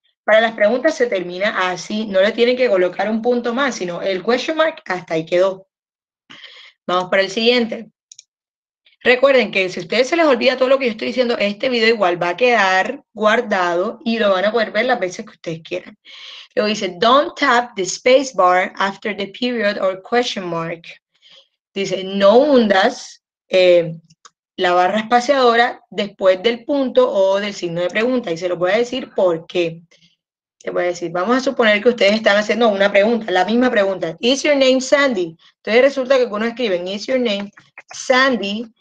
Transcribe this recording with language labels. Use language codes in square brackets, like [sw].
[es] Para las preguntas se termina así, no le tienen que colocar un punto más, sino el question mark, hasta ahí quedó. Vamos para el siguiente. Recuerden que si a ustedes se les olvida todo lo que yo estoy diciendo, este video igual va a quedar guardado y lo van a poder ver las veces que ustedes quieran. Luego dice, [en] don't tap the space bar after the period or question mark. [es] Dice, no hundas la barra espaciadora después del punto o del signo de pregunta. Y se lo voy a decir porque, te voy a decir, vamos a suponer que ustedes están haciendo una pregunta, la misma pregunta. [en] Is your name Sandy? [es] Entonces resulta que uno escribe, [en] is your name Sandy?